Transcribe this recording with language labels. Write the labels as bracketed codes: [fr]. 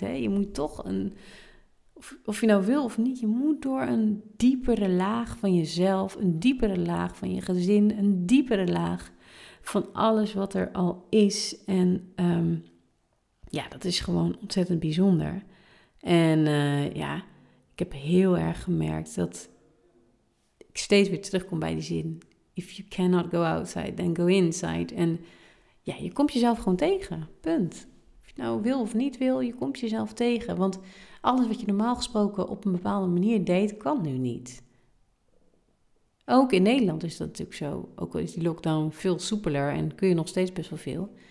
[nl] Hè, je moet toch een, of je nou wil of niet, je moet door een diepere laag van jezelf, een diepere laag van je gezin, een diepere laag van alles wat er al is. En dat is gewoon ontzettend bijzonder. En ik heb heel erg gemerkt dat ik steeds weer terugkom bij die zin. [en] If you cannot go outside, then go inside. [nl] En ja, je komt jezelf gewoon tegen. Punt. Of je nou wil of niet wil, je komt jezelf tegen. Want alles wat je normaal gesproken op een bepaalde manier deed, kan nu niet. Ook in Nederland is dat natuurlijk zo. Ook al is die lockdown veel soepeler en kun je nog steeds best wel veel.